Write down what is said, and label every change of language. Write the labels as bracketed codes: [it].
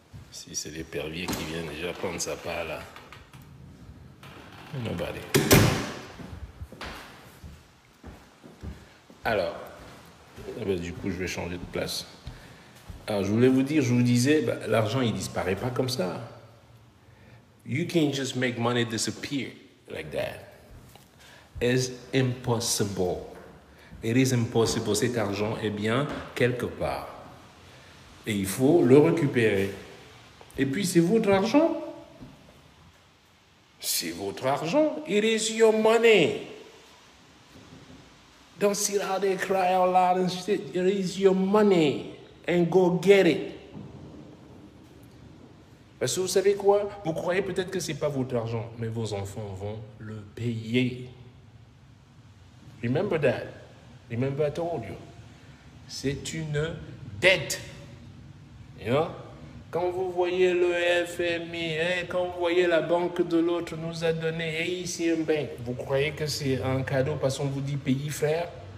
[fr] Si c'est l'épervier qui vient déjà prendre sa part là. [en] Nobody. [fr] Alors, du coup, je vais changer de place. Alors, je voulais vous dire, je vous disais, bah, l'argent, il disparaît pas comme ça. [en] You can't just make money disappear like that. It's impossible. It is impossible. [fr] Cet argent est bien quelque part. Et il faut le récupérer. Et puis, c'est votre argent. C'est votre argent. [en] It is your money. Don't sit out there, cry out loud and say, it is your money. And go get it. [fr] Parce que vous savez quoi? Vous croyez peut-être que ce n'est pas votre argent, mais vos enfants vont le payer. [en] Remember that. Remember I told you. [fr] C'est une dette. [en] You know? [fr] Quand vous voyez le FMI, hein, quand vous voyez la banque de l'autre nous a donné, hey, ici un bain, vous croyez que c'est un cadeau parce qu'on vous dit pays, frère?